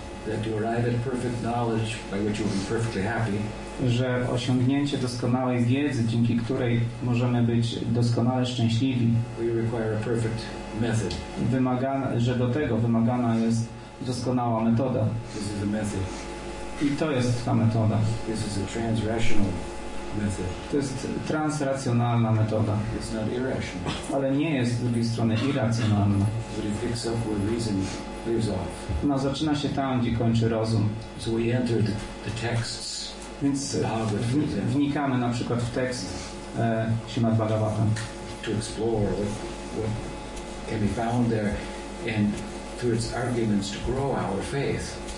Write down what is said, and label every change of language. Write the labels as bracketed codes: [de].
[en] That you arrive at perfect knowledge by which you will be perfectly happy. [pl] Że osiągnięcie doskonałej wiedzy, dzięki której możemy być doskonale szczęśliwi. [en] We require a perfect method. [pl] Wymagana, że do tego wymagana jest doskonała metoda. [en] This is the method. [pl] I to jest ta metoda. [en] This is a transrational method. [pl] To jest transracjonalna metoda. [en] It's not irrational. [pl] Ale nie jest z drugiej strony irracjonalna. [en] But it picks up where reason leaves off. [pl] No, zaczyna się tam, gdzie kończy rozum. [en] So we enter the texts. [pl] Więc wnikamy na przykład w tekst Śrimad Bhagavatam. [en] To explore what can be found there and through its arguments to grow our faith.